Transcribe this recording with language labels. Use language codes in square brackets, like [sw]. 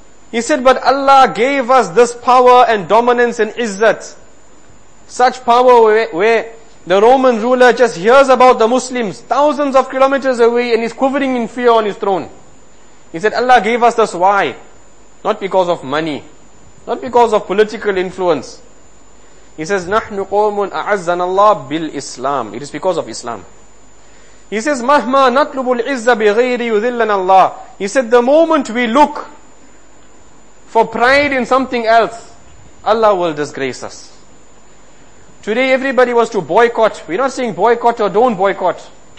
[en] He said, but Allah gave us this power and dominance and izzat. Such power where the Roman ruler just hears about the Muslims thousands of kilometers away and is quivering in fear on his throne. He said, Allah gave us this. Why? Not because of money. Not because of political influence. He says, [ar] نَحْنُ قَوْمٌ أَعَزَّنَ اللَّهُ بِالْإِسْلَامِ. [en] It is because of Islam. He says, [ar] مَهْمَا نَطْلُبُ الْعِزَّ بِغَيْرِ يُذِلَّنَ اللَّهُ. [en] He said, the moment we look for pride in something else, Allah will disgrace us. Today everybody wants to boycott. We're not saying boycott or don't boycott.